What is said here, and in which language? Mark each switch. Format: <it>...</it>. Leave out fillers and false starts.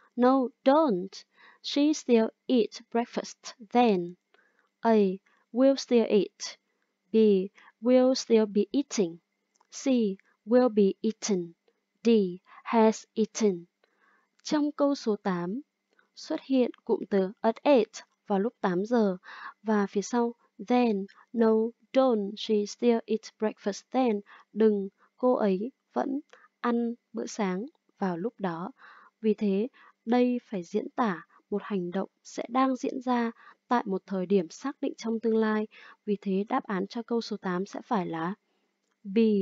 <en>No, don't. She still eat breakfast then. A. Will still eat. B. Will still be eating. C. Will be eaten. D. Has eaten.</en> <vi>Trong câu số 8, xuất hiện cụm từ</vi> <en>at 8</en> <vi>vào lúc 8 giờ. Và phía sau,</vi> <en>then, no, don't, she still eat breakfast then.</en> <vi>Đừng, cô ấy vẫn ăn bữa sáng vào lúc đó. Vì thế, đây phải diễn tả một hành động sẽ đang diễn ra tại một thời điểm xác định trong tương lai. Vì thế, đáp án cho câu số 8 sẽ phải là B.</vi>